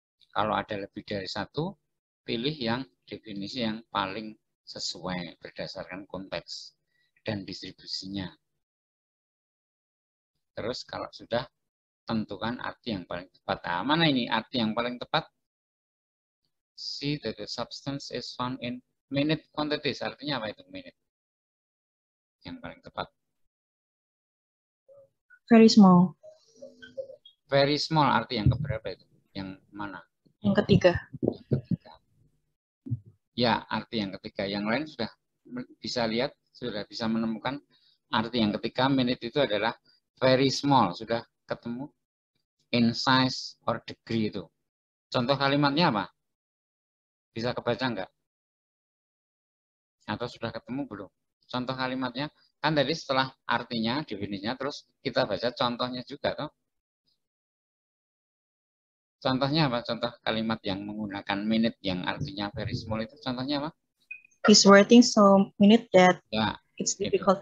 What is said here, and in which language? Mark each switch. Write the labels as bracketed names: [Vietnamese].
[Indonesian] Kalau ada lebih dari satu, pilih yang definisi yang paling sesuai berdasarkan konteks dan distribusinya. Terus kalau sudah, tentukan arti yang paling tepat. Nah, mana ini arti yang paling tepat? [English] See that the substance is found in minute quantities. [Indonesian] Artinya apa itu minute? Yang paling tepat. [English] Very small. Very small [Indonesian] arti yang keberapa itu? Yang mana? Yang ketiga. Ya, arti yang ketiga. Yang lain sudah bisa lihat, sudah bisa menemukan arti yang ketiga. Minute itu adalah [English] very small. [Indonesian] Sudah ketemu [English] in size or degree [Indonesian] itu. Contoh kalimatnya apa? Bisa kebaca enggak? Atau sudah ketemu belum? Contoh kalimatnya, kan tadi setelah artinya, definisinya, terus kita baca contohnya juga. Toh. Contohnya apa? Contoh kalimat yang menggunakan minute yang artinya [English] very small [Indonesian] itu contohnya apa? [English] He's writing so minute that ya, it's difficult